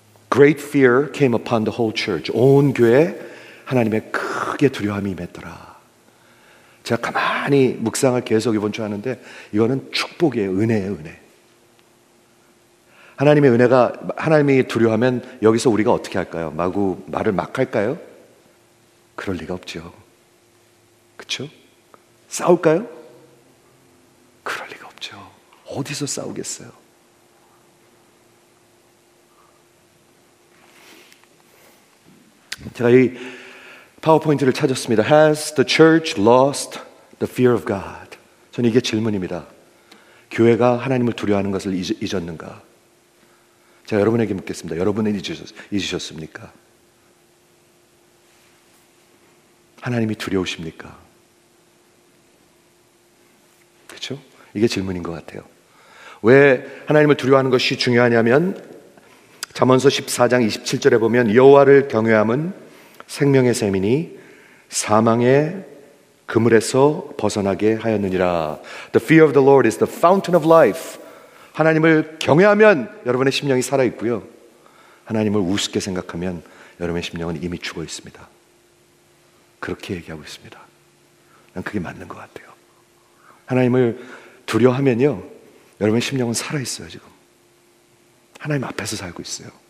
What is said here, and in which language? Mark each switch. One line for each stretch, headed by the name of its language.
English: Great fear came upon the whole church.
Korean: 온 교회에 하나님의 크게 두려움이 임했더라. 제가 가만히 묵상을 계속 이번 주 하는데 이거는 축복이에요. 은혜예요. 은혜. 하나님의 은혜가 하나님이 두려워하면 여기서 우리가 어떻게 할까요? 마구 말을 막 할까요? 그럴 리가 없죠. 그렇죠? 싸울까요? 그럴 리가 없죠. 어디서 싸우겠어요? 제가 이 파워포인트를 찾았습니다.
English: Has the church lost the fear of God?
Korean: 저는 이게 질문입니다. 교회가 하나님을 두려워하는 것을 잊었는가? 제가 여러분에게 묻겠습니다. 여러분은 잊으셨습니까? 하나님이 두려우십니까? 그렇죠? 이게 질문인 것 같아요. 왜 하나님을 두려워하는 것이 중요하냐면 잠언서 14장 27절에 보면 여호와를 경외함은 생명의 샘이니 사망의 그물에서 벗어나게 하였느니라.
English: The fear of the Lord is the fountain of life.
Korean: 하나님을 경외하면 여러분의 심령이 살아있고요. 하나님을 우습게 생각하면 여러분의 심령은 이미 죽어 있습니다. 그렇게 얘기하고 있습니다. 난 그게 맞는 것 같아요. 하나님을 두려워하면요. 여러분의 심령은 살아있어요, 지금. 하나님 앞에서 살고 있어요.